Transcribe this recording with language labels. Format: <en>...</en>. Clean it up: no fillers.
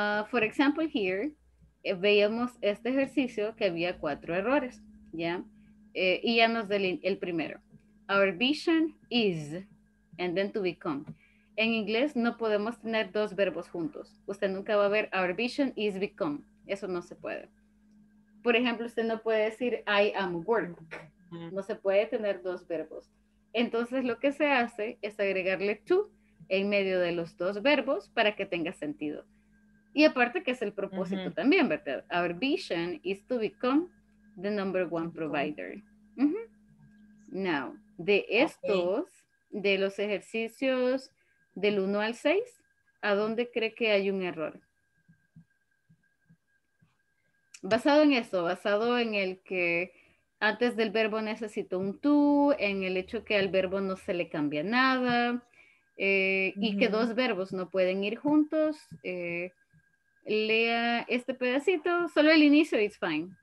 <en>For example, here,</en> <es>veíamos este ejercicio que había cuatro errores, ¿ya? Y ya nos el primero.</es> <en>Our vision is, and then to become.</en> <es>En inglés no podemos tener dos verbos juntos. Usted nunca va a ver</es> <en>our vision is become.</en> <es>Eso no se puede. Por ejemplo, usted no puede decir</es> <en>I am work.</en> <es>No se puede tener dos verbos. Entonces, lo que se hace es agregarle to en medio de los dos verbos para que tenga sentido. Y aparte que es el propósito también, ¿verdad?</es> <en>Our vision is to become the number one provider. Now,</en> <es>de estos, de los ejercicios del 1 al 6, ¿a dónde cree que hay un error? Basado en eso, basado en el que antes del verbo necesito un to, en el hecho que al verbo no se le cambia nada, y que dos verbos no pueden ir juntos, lea este pedacito, solo el inicio,</es> <en>it's fine.</en>